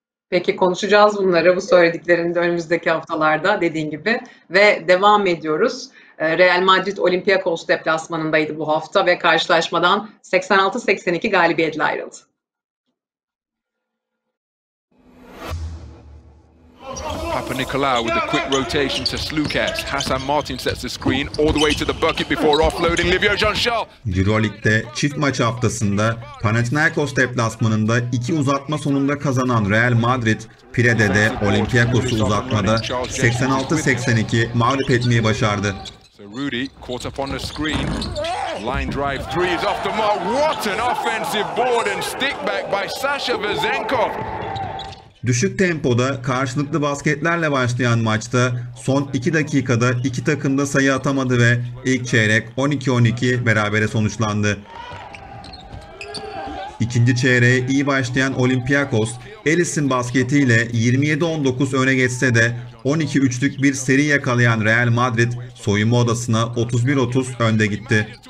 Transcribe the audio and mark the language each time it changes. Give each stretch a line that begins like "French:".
Turkish: Peki konuşacağız bunları, bu söylediklerini de önümüzdeki haftalarda dediğin gibi. Ve devam ediyoruz. Real Madrid Olympiakos deplasmanındaydı bu hafta ve karşılaşmadan 86-82 galibiyetle ayrıldı.
English: Papanikolaou with a quick rotation to Slukas. Hasan Martin sets the screen all the way to the bucket before offloading Livio Jeanchal.
Turkish: EuroLeague'de çift maç haftasında Panathinaikos deplasmanında 2 uzatma sonunda kazanan Real Madrid, Pire'de Olympiakos'u uzatmada 86-82 mağlup etmeyi başardı.
English: Rudy caught up on the screen. Line drive 3 is off the mark. What an offensive board and stick back by Sasha Vezenkov.
Turkish: Düşük tempoda karşılıklı basketlerle başlayan maçta son 2 dakikada iki takım da sayı atamadı ve ilk çeyrek 12-12 berabere sonuçlandı. İkinci çeyreğe iyi başlayan Olympiakos, Ellis'in basketiyle 27-19 öne geçse de 12-3'lük bir seri yakalayan Real Madrid soyunma odasına 31-30 önde gitti.